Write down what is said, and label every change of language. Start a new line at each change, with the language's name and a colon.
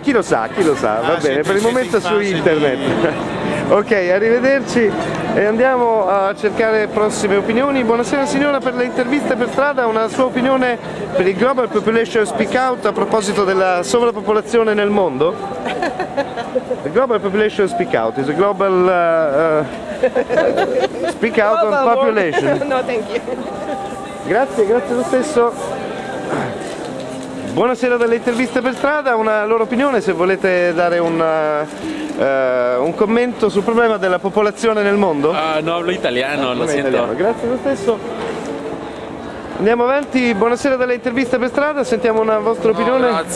Italian: Chi lo sa, va bene, per il momento su internet. Ok, arrivederci e andiamo a cercare prossime opinioni. Buonasera signora, per le interviste per strada, una sua opinione per il Global Population Speak Out a proposito della sovrappopolazione nel mondo?
English: The Global Population Speak Out is a global speak out on population. No, thank you.
Italian: Grazie lo stesso. Buonasera dalle interviste per strada, una loro opinione se volete dare un commento sul problema della popolazione nel mondo. No, parlo italiano, lo sento. Italiano. Grazie lo stesso. Andiamo avanti, buonasera dalle interviste per strada, sentiamo una vostra opinione.